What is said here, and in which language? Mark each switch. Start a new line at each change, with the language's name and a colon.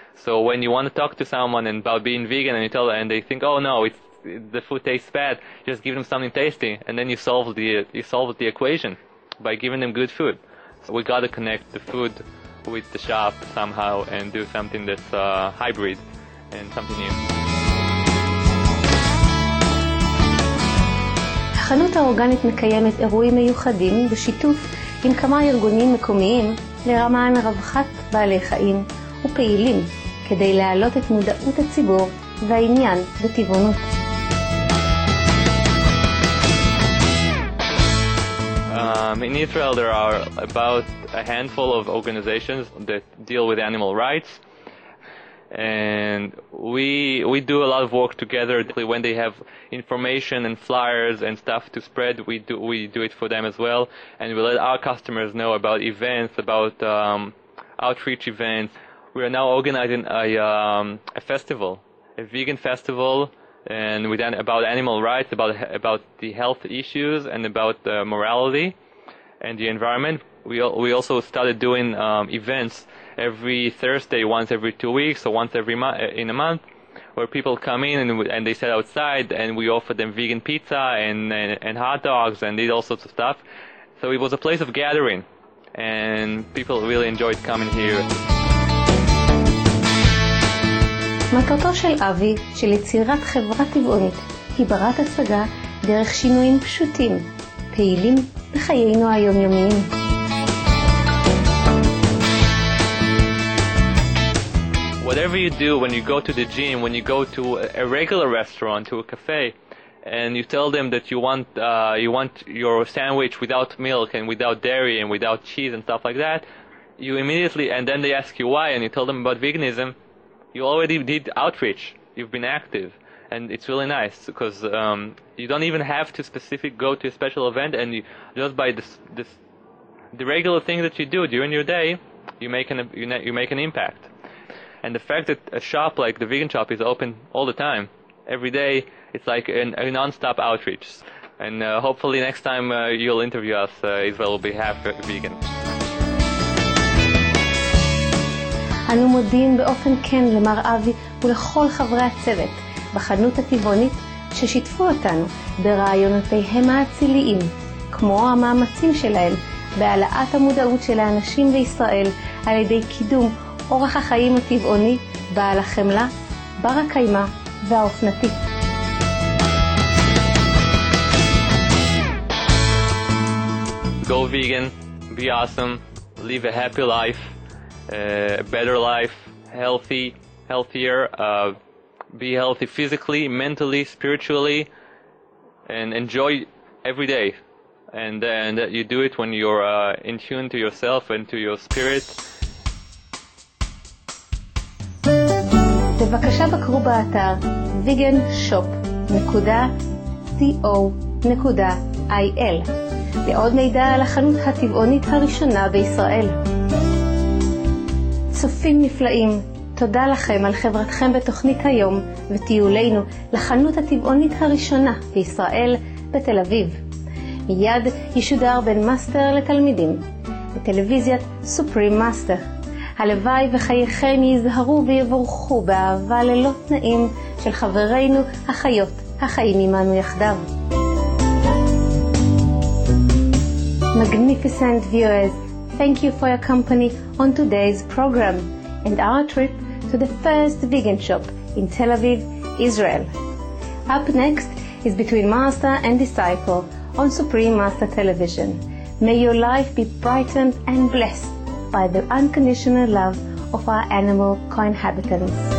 English: So when you want to talk to someone about being vegan, and you tell them, and they think, "Oh no, the food tastes bad," just give them something tasty, and then you solve the equation by giving them good food. So we gotta connect the food with the shop somehow and do something that's hybrid and something new.
Hebrew: החנות האורגנית מקיימת אירועים מיוחדים בשיתוף עם כמה ארגונים מקומיים לרמה מרווחת בעלי חיים ופעילים כדי להעלות את מודעות הציבור והעניין בטבעונות.
English: In Israel there are about a handful of organizations that deal with animal rights, and we do a lot of work together. When they have information and flyers and stuff to spread, we do it for them as well, and we let our customers know about events, about outreach events. We are now organizing a festival, a vegan festival, and with about animal rights, about the health issues, and about morality and the environment. We also started doing events every Thursday, once every 2 weeks, or once every in a month, where people come in and they sit outside, and we offer them vegan pizza and hot dogs and eat all sorts of stuff. So it was a place of gathering, and people really enjoyed coming here.
Hebrew: מטרתו של אבי, של יצירת חברה טבעונית, היא ברת השגה דרך שינויים פשוטים, פעילים בחיינו היומיומיים.
English: Whatever you do, when you go to the gym, when you go to a regular restaurant, to a cafe, and you tell them that you want your sandwich without milk and without dairy and without cheese and stuff like that, you immediately, and then they ask you why, and you tell them about veganism, you already did outreach. You've been active, and it's really nice because you don't even have to specifically go to a special event, and you, just by the regular thing that you do during your day, you make an impact. And the fact that a shop like the vegan shop is open all the time, every day, it's like a non-stop outreach. And hopefully next time you'll interview us, Israel will be half vegan.
Hebrew: אנו מודים באופן כן למר אבי ולכל חברי הצוות בחנות הטבעונית ששיתפו אותנו ברעיונותיהם האציליים, כמו המאמצים שלהם בהעלאת המודעות של האנשים בישראל על ידי קידום אורח החיים הטבעוני בעל החמלה, בר הקיימה והאופנתי.
English: Go vegan, be awesome, live a happy life, a better life, healthier, be healthy physically, mentally, spiritually, and enjoy every day. And you do it when you're in tune to yourself and to your spirit.
Hebrew: בבקשה בקרו באתר veganshop.co.il לעוד מידע על החנות הטבעונית הראשונה בישראל. צופים נפלאים, תודה לכם על חברתכם בתוכנית היום וטיולנו לחנות הטבעונית הראשונה בישראל בתל אביב. מיד ישודר בין מאסטר לתלמידים בטלוויזיית סופרים מאסטר. הלוואי וחייכם יזהרו ויבורכו באהבה ללא תנאים של חברינו החיות החיים עמנו יחדיו.
English: Magnificent viewers, thank you for your company on today's program and our trip to the first vegan shop in Tel Aviv, Israel. Up next is Between Master and Disciple on Supreme Master Television. May your life be brightened and blessed by the unconditional love of our animal co-inhabitants.